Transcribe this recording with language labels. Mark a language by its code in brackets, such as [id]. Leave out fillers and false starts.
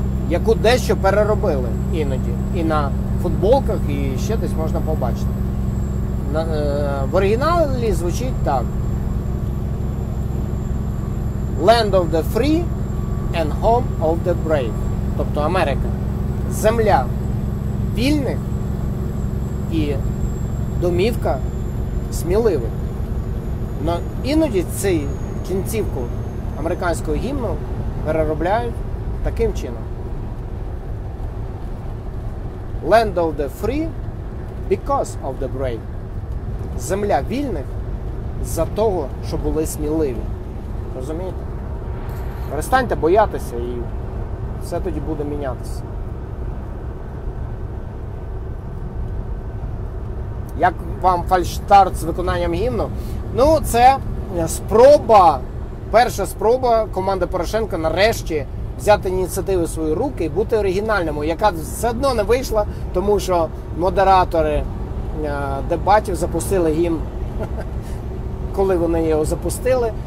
[uk] Яку дещо переробили іноді. І на футболках, і ще десь можна побачити. В оригіналі звучить так. [en] Land of the free and home of the brave. [uk] Тобто Америка. Земля вільних і домівка сміливих. Но іноді цю кінцівку американського гімну переробляють таким чином. [en] Land of the free because of the brave. [uk] Земля вільних за того, що були сміливі. Розумієте? Перестаньте боятися і все тоді буде мінятися. Як вам фальшстарт з виконанням гімну? Ну, це спроба, перша спроба команди Порошенка нарешті взяти ініціативу в свої руки і бути оригінальним, яка все одно не вийшла, тому що модератори дебатів запустили гімн, коли вони його запустили.